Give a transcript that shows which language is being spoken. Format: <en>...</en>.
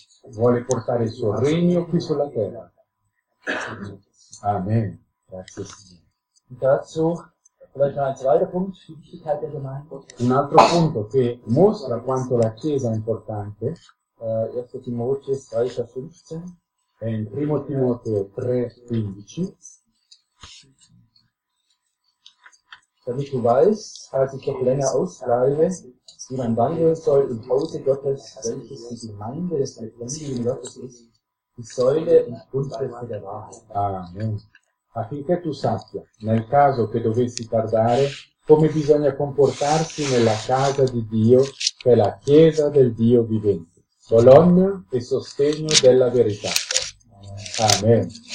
<it>Vuole portare il suo regno qui sulla terra. Amen.</it> <de>Und dazu vielleicht noch ein zweiter Punkt, die Wichtigkeit der Gemeinde.</de> <it>Un altro punto che mostra quanto la Chiesa è importante. 1 Timoteo 3, 15. È in 1 Timoteo 3, 15.</it> <de>Damit du weißt, als ich noch länger ausbleibe, wie man wandeln soll im Hause Gottes, welches die Gemeinde des lebendigen Gottes ist, die Säule und Grundfeste der Wahrheit. Amen.</de> <it>Affinché tu sappia, nel caso che dovessi tardare, come bisogna comportarsi nella casa di Dio, che è la Chiesa del Dio vivente, colonna e sostegno della verità. Amen.</it>